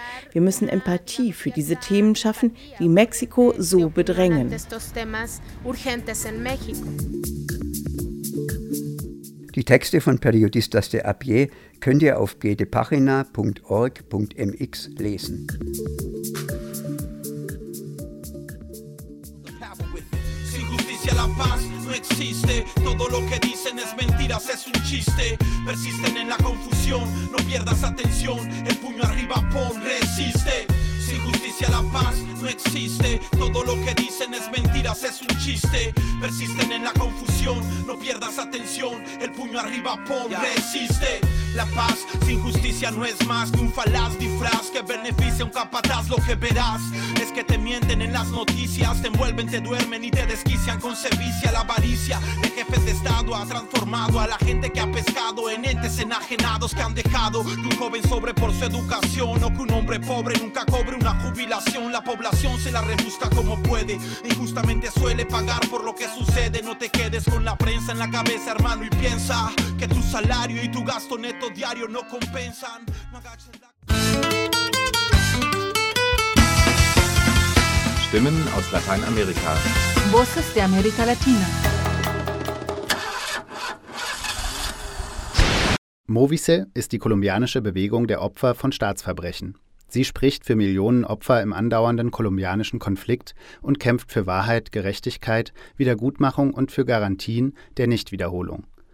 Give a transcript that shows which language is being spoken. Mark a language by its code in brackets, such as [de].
[de] Wir müssen Empathie für diese Themen schaffen, die Mexiko so bedrängen. Die Texte von Periodistas de a pie könnt ihr auf gedepagina.org.mx lesen. [es] Existe, todo lo que dicen es mentiras, es un chiste. Persisten en la confusión, no pierdas atención. El puño arriba, pon, resiste. Sin justicia la paz no existe. Todo lo que dicen es mentiras, es un chiste. Persisten en la confusión, no pierdas atención. El puño arriba, pon, resiste. La paz sin justicia no es más que un falaz disfraz que beneficia a un capataz. Lo que verás es que te mienten en las noticias, te envuelven, te duermen y te desquician con servicio. La avaricia de jefes de estado ha transformado a la gente que ha pescado en entes enajenados que han dejado que un joven sobre por su educación o que un hombre pobre nunca cobre una jubilación. La población se la rebusca como puede, injustamente suele pagar por lo que sucede. No te quedes con la prensa en la cabeza, hermano, y piensa que tu salario y tu gasto neto diario no compensan. No agaches la. [de] Stimmen aus Lateinamerika. [es] Voces de América Latina. [de] Movice ist die kolumbianische Bewegung der Opfer von Staatsverbrechen. Sie spricht für Millionen Opfer im andauernden kolumbianischen Konflikt und kämpft für Wahrheit, Gerechtigkeit, Wiedergutmachung und für Garantien der Nichtwiederholung.